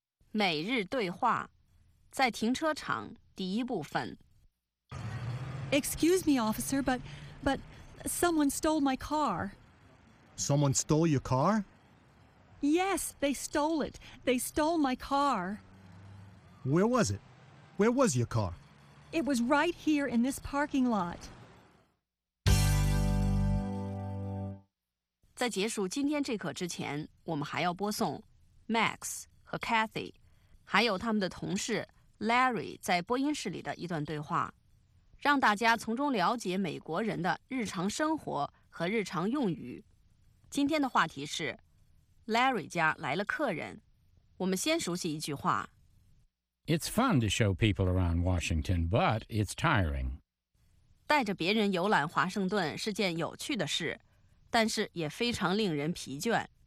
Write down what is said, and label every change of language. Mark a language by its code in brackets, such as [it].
[zh] 每日对话，在停车场第一部分。 [en] Excuse me, officer, but someone stole my car. Someone stole your car? Yes, they stole it. They stole my car. Where was it? Where was your car? It was right here in this parking lot. [zh] 在结束今天这课之前，我们还要播送 Max 和 Cathy， 还有他们的同事 Larry 在播音室里的一段对话，让大家从中了解美国人的日常生活和日常用语。今天的话题是 Larry 家来了客人。我们先熟悉一句话。 [en] It's fun to show people around Washington, but it's tiring. [zh] 带着别人游览华盛顿是件有趣的事，但是也非常令人疲倦。